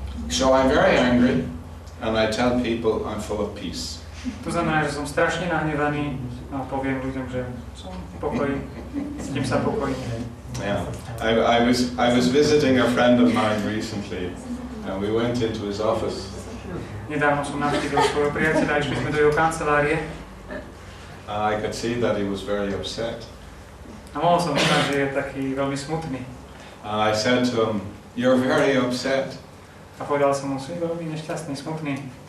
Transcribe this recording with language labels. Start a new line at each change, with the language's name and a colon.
English: So I'm very angry and I tell people I'm full of peace.
Slovak: To znamená, že som strašne nahnevaný a poviem ľuďom, že som pokojný, s tým sa pokojím.
English: Yeah, I was visiting a friend of mine recently, and we went into his office.
Slovak: Nedávno som navštívil svojho priateľa, išli sme do jeho kancelárie.
English: And I could see that he was very upset.
Slovak: A mohol som vidieť, že je taký veľmi smutný.
English: And I said to him, "You're very upset."
Slovak: A povedal som mu, "Si veľmi nešťastný, smutný."